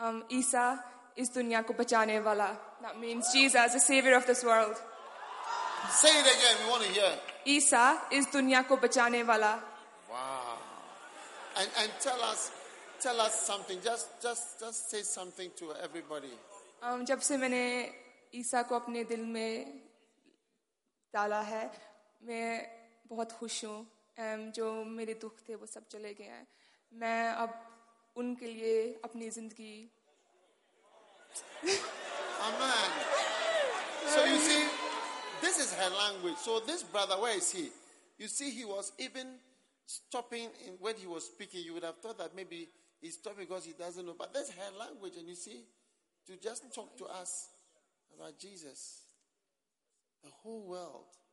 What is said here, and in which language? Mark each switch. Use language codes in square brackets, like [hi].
[hi] Isa is dunya ko bachane wala. [en] That means Jesus, the savior of this world. Say it again, we want to hear. [hi] Isa is dunya ko bachane wala. [en] Wow. And tell us something. Just say something to everybody. [hi] जब से मैंने ईसा को अपने दिल में डाला है, मैं बहुत खुश हूँ। जो मेरे दुख थे वो सब चले गए हैं। मैं अब उनके लिए अपनी ज़िंदगी। [en] Amen. So you see, this is her language. So this brother, where is he? You see, he was even stopping in when he was speaking. You would have thought that maybe he stopped because he doesn't know. But that's her language, and you see, to just talk to us about Jesus. The whole world.